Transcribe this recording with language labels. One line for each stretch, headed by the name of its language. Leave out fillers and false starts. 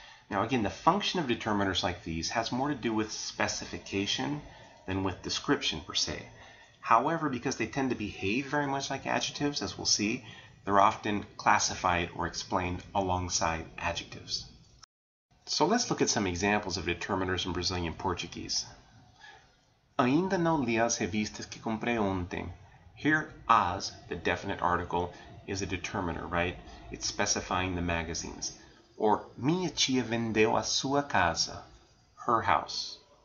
English: Now, again, the function of determiners like these has more to do with specification than with description, per se. However, because they tend to behave very much like adjectives, as we'll see, they're often classified or explained alongside adjectives. So let's look at some examples of determiners in Brazilian Portuguese.
Portuguese: Ainda não li as revistas que comprei ontem.
English: Here, as, the definite article, is a determiner, right? It's specifying the magazines.
Portuguese: Or, minha tia vendeu a sua casa,
English: her house.